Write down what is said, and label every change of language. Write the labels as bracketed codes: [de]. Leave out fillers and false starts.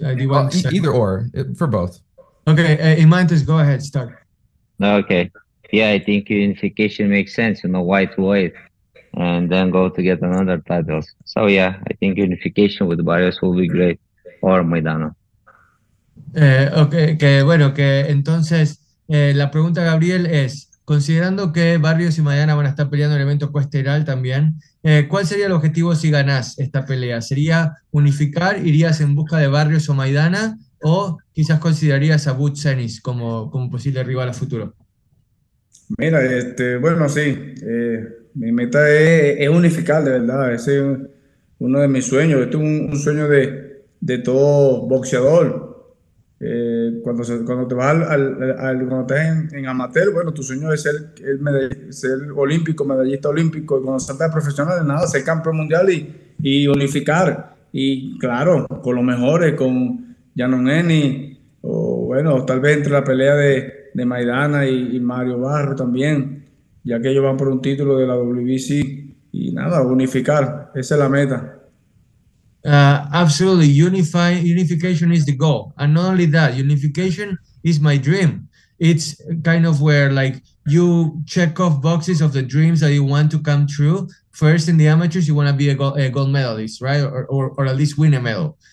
[en] Either or, for both. Okay, Imantis, go ahead, start. Okay. Yeah, I think unification makes sense. You know, why to wait? And then go to get another title. So yeah, I think unification with Barrios will be great, or Maidana. [es] Okay, que bueno, que entonces la pregunta, Gabriel, es, considerando que Barrios y Maidana van a estar peleando el evento cuesteral también, ¿cuál sería el objetivo si ganas esta pelea? ¿Sería unificar, irías en busca de Barrios o Maidana, o quizás considerarías a Butch Ennis como posible rival a futuro? Mira, bueno, sí, mi meta es unificar, de verdad. Ese es uno de mis sueños. Este es un sueño de todo boxeador. Cuando te vas al cuando estás en amateur, bueno, tu sueño es ser olímpico, medallista olímpico. Y cuando saltas de profesional, nada, ser campeón mundial y unificar. Y claro, con los mejores, con Jaron Ennis, o bueno, tal vez entre la pelea de Maidana y Mario Barro también, ya que ellos van por un título de la WBC, y nada, unificar, esa es la meta. [en] Absolutely, unification is the goal, and not only that, unification is my dream. It's kind of where, like, you check off boxes of the dreams that you want to come true. First, in the amateurs, you want to be a gold medalist, right? Or at least win a medal.